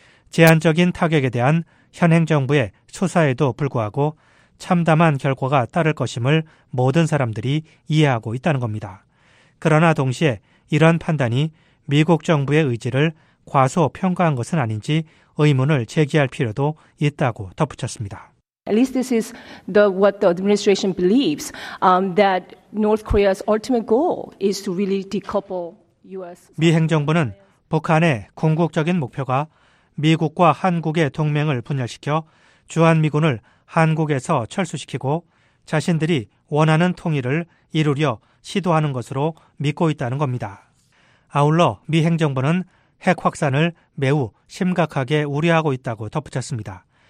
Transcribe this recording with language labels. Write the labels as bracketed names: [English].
[Korean] 제한적인 타격에 대한 현행 정부의 수사에도 불구하고 참담한 결과가 따를 것임을 모든 사람들이 이해하고 있다는 겁니다. 그러나 동시에 이런 판단이 미국 정부의 의지를 과소평가한 것은 아닌지 의문을 제기할 필요도 있다고 덧붙였습니다. [English] At least this is the what the administration believes that North Korea's ultimate goal is to really decouple US. [Korean] 미 행정부는 북한의 궁극적인 목표가 미국과 한국의 동맹을 분열시켜 주한미군을 한국에서 철수시키고 자신들이 원하는 통일을 이루려 시도하는 것으로 믿고 있다는 겁니다. 아울러 미 행정부는 핵 확산을 매우 심각하게 우려하고 있다고 덧붙였습니다.